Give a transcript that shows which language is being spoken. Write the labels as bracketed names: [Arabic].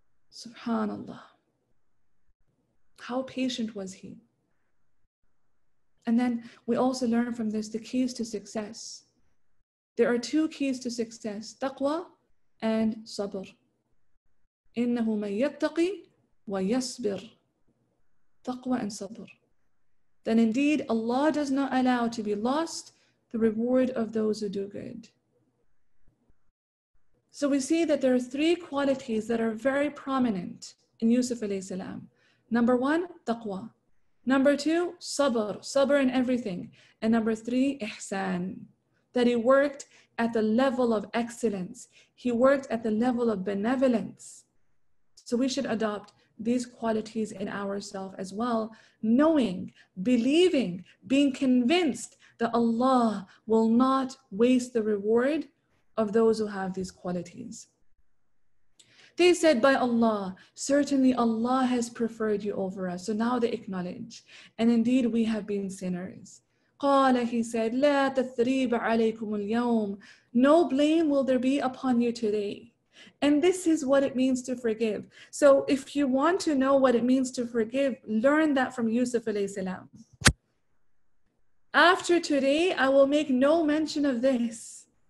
[English] Subhanallah. How patient was he? And then we also learn from this the keys to success. There are two keys to success, taqwa and sabr. [Arabic] إِنَّهُ مَنْ يَتَّقِي وَيَصْبِرْ [English] taqwa and sabr. Then indeed, Allah does not allow to be lost the reward of those who do good. So we see that there are three qualities that are very prominent in Yusuf alayhi salam. Number one, taqwa. Number two, sabr in everything. And number three, ihsan, that he worked at the level of excellence. He worked at the level of benevolence. So we should adopt these qualities in ourselves as well, knowing, believing, being convinced that Allah will not waste the reward of those who have these qualities. They said, by Allah, certainly Allah has preferred you over us. So now they acknowledge. And indeed, we have been sinners. [Arabic] قال, [English] he said, [Arabic] لا تثريب عليكم اليوم. [English] No blame will there be upon you today. And this is what it means to forgive. So if you want to know what it means to forgive, learn that from Yusuf alayhi salam. After today, I will make no mention of this.